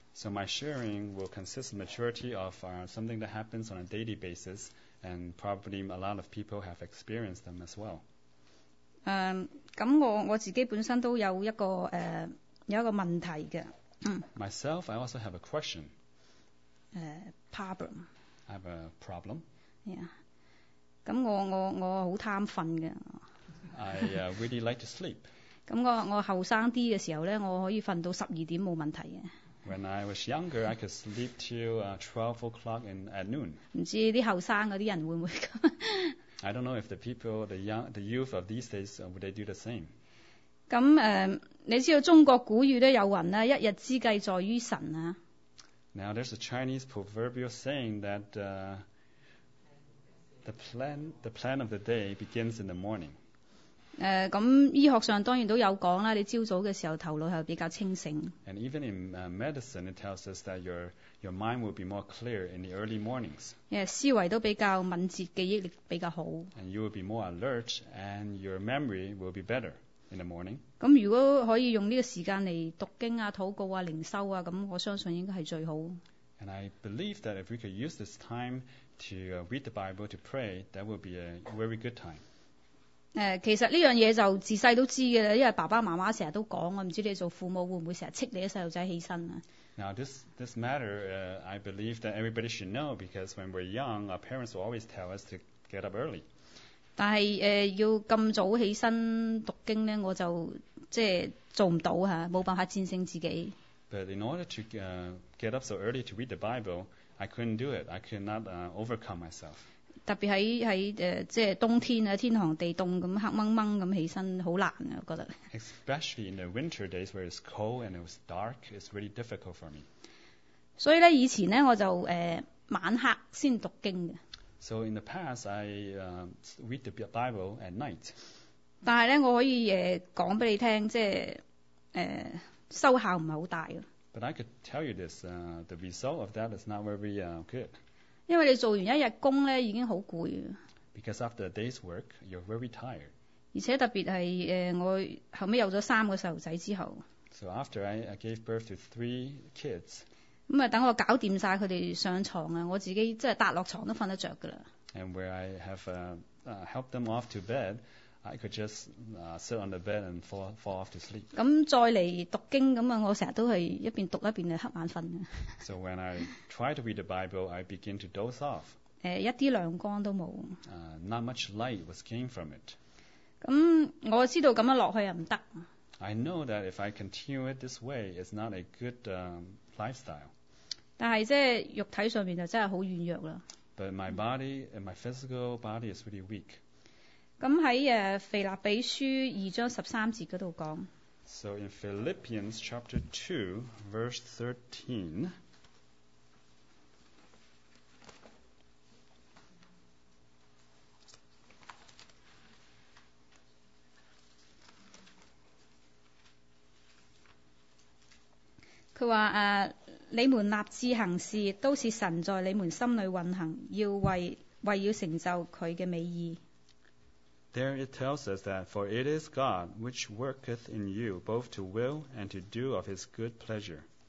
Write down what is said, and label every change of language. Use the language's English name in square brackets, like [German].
[English] So my sharing will consist the majority of something that happens on a daily basis, and probably a lot of people have experienced them as well. [Cantonese] 我自己本身都有一个有一个问题嘅。 [English] Myself, I also have a question. Problem. I have a problem. [Cantonese] Yeah. 咁我好贪瞓嘅。 [English] I really like to sleep. [Cantonese] 咁我后生啲嘅时候咧，我可以瞓到十二点冇问题嘅。 [English] When I was younger, I could sleep till 12 o'clock at noon. [Cantonese] 唔知啲后生嗰啲人会唔会咁 [English] ？I don't know if the people, the youth of these days, would they do the same? [Cantonese] 咁你知道中国古语咧有云啦，一日之计在于晨啊。 [English] Now there's a Chinese proverbial saying that the plan of the day begins in the morning. [Cantonese] 咁醫學上當然都有講啦，你朝早嘅時候頭腦係比較清醒。 [English] And even in medicine, it tells us that your mind will be more clear in the early mornings. [Cantonese] 思維都比較敏捷，記憶力比較好。 [English] And you will be more alert, and your memory will be better in the morning. [Cantonese] 咁如果可以用呢個時間嚟讀經啊、禱告啊、靈修啊，咁我相信應該係最好。 [English] And I believe that if we could use this time to read the Bible, to pray, that would be a very good time. [Cantonese] 其实呢样嘢就自细都知嘅啦，因为爸爸妈妈成日都讲，我唔知道你做父母会唔会成日斥你啲细路仔起身啊 [English] ？Now this matter, I believe that everybody should know because when we're young, our parents will always tell us to get up early. [Cantonese] 但系要咁早起身读经咧，我就即系做唔到吓，冇办法战胜自己。 [English] But in order to get up so early to read the Bible, I couldn't do it. I could not overcome myself. [Cantonese] 特別喺即係冬天啊，天寒地凍咁黑掹掹咁起身，好難啊，覺得。 [English] Especially in the winter days where it's cold and it was dark, it's really difficult for me. [Cantonese] 所以咧，以前咧我就晚黑先讀經嘅。 [English] So in the past, I read the Bible at night. [Cantonese] 但係咧，我可以講俾你聽，即係收效唔係好大啊。 [English] But I could tell you this, the result of that is not very good. [Cantonese] 因为你做完一日工咧，已经好攰。 [English] Because after a day's work, you're very tired. [Cantonese] 而且特别系我后屘有咗三个细路仔之后。 [English] So after I gave birth to three kids. [Cantonese] 咁啊，等我搞掂晒佢哋上床啊，我自己即系搭落床都瞓得着噶啦。 [English] And where I have helped them off to bed, I could just sit on the bed and fall off to sleep. [Cantonese] 咁再嚟读经咁啊，我成日都系一边读一边系黑眼瞓啊。 [English] So when I try to read the Bible, I begin to doze off. [Cantonese] 一啲亮光都冇。 [English] Not much light was came from it. [Cantonese] 咁我知道咁样落去又唔得。 [English] I know that if I continue it this way, it's not a good lifestyle. [Cantonese] 但系即系肉体上面就真系好软弱啦。 [English] But my body, my physical body is really weak. [Cantonese] 咁喺腓立比書二章十三節嗰度講。 [English] So in Philippians chapter 2, verse 13. [Cantonese] 佢话你们立志行事，都是神在你们心里运行，要为要成就佢嘅美意。 [English] There it tells us that for it is God which worketh in you both to will and to do of His good pleasure.